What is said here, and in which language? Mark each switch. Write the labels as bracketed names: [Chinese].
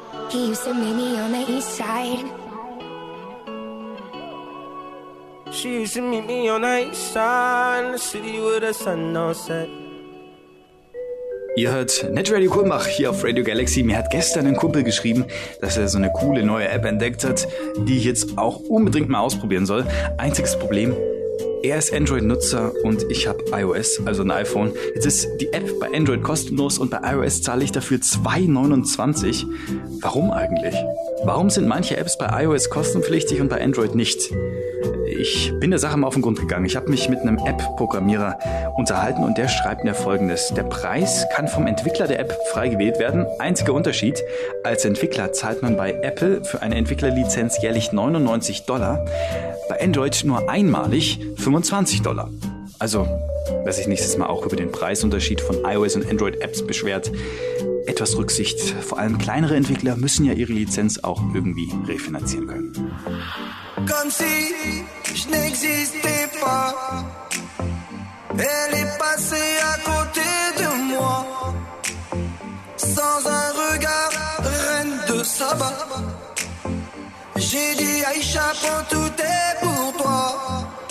[English] He used to meet me on the east side. She used to meet me on the east side, the city where the sun don't set. [German] Ihr hört NetRadio Kulmbach hier auf Radio Galaxy. Mir hat gestern ein Kumpel geschrieben, dass er so eine coole neue App entdeckt hat, die ich jetzt auch unbedingt mal ausprobieren soll. Einziges Problem: er ist Android-Nutzer und ich habe iOS, also ein iPhone. Jetzt ist die App bei Android kostenlos und bei iOS zahle ich dafür 2,29. Warum eigentlich? Warum sind manche Apps bei iOS kostenpflichtig und bei Android nicht? Ich bin der Sache mal auf den Grund gegangen. Ich habe mich mit einem App-Programmierer unterhalten und der schreibt mir Folgendes. Der Preis kann vom Entwickler der App frei gewählt werden. Einziger Unterschied: als Entwickler zahlt man bei Apple für eine Entwicklerlizenz jährlich $99. Bei Android nur einmalig $25. Also, wer sich nächstes Mal auch über den Preisunterschied von iOS und Android-Apps beschwert, etwas Rücksicht. Vor allem kleinere Entwickler müssen ja ihre Lizenz auch irgendwie refinanzieren können. [French] Comme si je n'existais pas. Elle est passée à côté de moi. Sans un regard, reine de Saba. J'ai dit Aïcha, prends tout est pour toi.